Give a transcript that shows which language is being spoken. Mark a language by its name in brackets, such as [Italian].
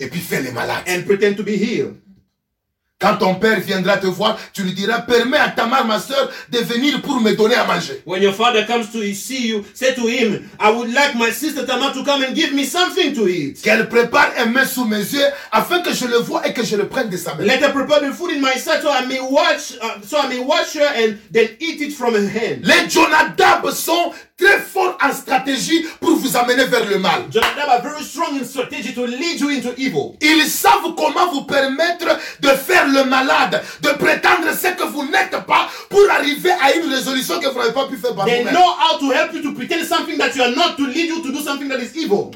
[French] Et puis fais les malades. [English] And pretend to be healed. [French] Quand ton père viendra te voir, tu lui diras, permets à Tamar, ma soeur, de venir pour me donner à manger. [English] When your father comes to see you, say to him, I would like my sister Tamar to come and give me something to eat. [French] Qu'elle prépare un mets sous mes yeux, afin que je le voie et que je le prenne de sa main. [English] Let her prepare the food in my sight, so I may watch her and then eat it from her hand. [French] Les Jonadab sont très fort en stratégie pour vous amener vers le mal. [English] Jonadab are very strong in strategy to lead you into evil. [French] Ils savent comment vous permettre de faire le malade, de prétendre ce que vous n'êtes pas pour arriver à une résolution que vous n'avez pas pu faire par vous-même. [English] They know how to help you to pretend something that you are not, to lead you to do something that is evil.